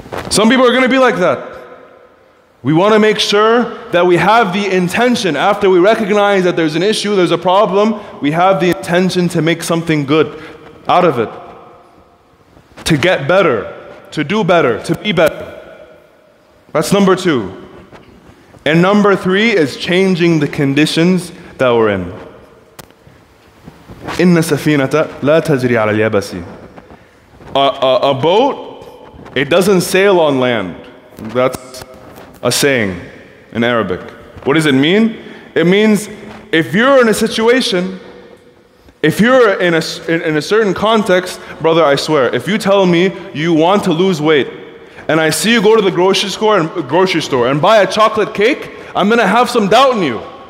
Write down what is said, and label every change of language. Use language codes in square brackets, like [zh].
[en] Some people are gonna be like that. We wanna make sure that we have the intention after we recognize that there's an issue, there's a problem, we have the intention to make something good out of it. To get better, to do better, to be better. That's number two. And number three is changing the conditions that we're in. [ar] إن سفينة لا تجري على اليابسي. [en] A boat, it doesn't sail on land. That's a saying in Arabic. What does it mean? It means if you're in a situation, if you're in a certain context, brother, I swear, if you tell me you want to lose weight, and I see you go to the grocery store and buy a chocolate cake, I'm gonna have some doubt in you.